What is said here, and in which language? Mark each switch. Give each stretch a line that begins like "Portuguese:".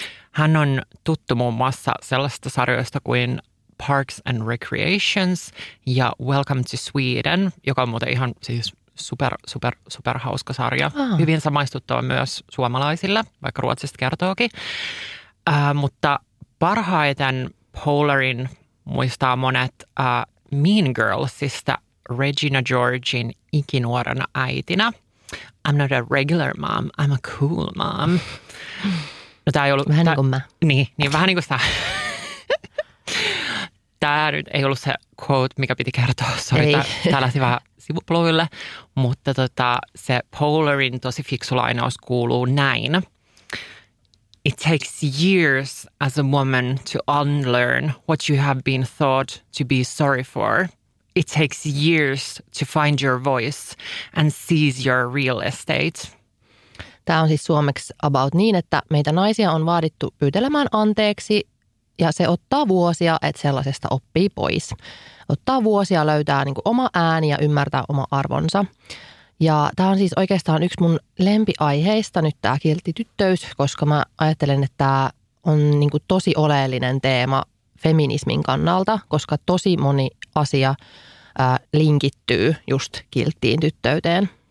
Finnish: Hän on tuttu muun muassa sellaisista sarjoista kuin Parks and Recreations ja Welcome to Sweden, joka on muuten ihan siis super hauska sarja. Ah. Hyvin samaistuttava myös suomalaisille, vaikka ruotsista kertookin. Mutta parhaiten Poehlerin muistaa monet Mean Girlsista Regina Georgin ikinuorana äitinä.
English: I'm not a regular mom, I'm a cool mom.
Finnish: No, tää ei ollut, vähän niin kuin mä. Niin, vähän niin kuin sä. Tämä nyt ei ollut se quote, mikä piti kertoa. Sori, tää lähti vähän sivuploville. Mutta se Poehlerin tosi fiksu lainaus kuuluu näin.
English: It takes years as a woman to unlearn what you have been thought to be sorry for. It takes years to find your voice and seize your real estate.
Finnish: Tämä on siis suomeksi about niin, että meitä naisia on vaadittu pyytelemään anteeksi ja se ottaa vuosia, että sellaisesta oppii pois. Ottaa vuosia löytää niin kuin oma ääni ja ymmärtää oma arvonsa. Ja tämä on siis oikeastaan yksi mun lempiaiheista nyt tämä kiltti tyttöys, koska mä ajattelen, että tämä on niin kuin tosi oleellinen teema feminismin kannalta, koska tosi moni asia linkittyy just kilttiin tyttöyteen.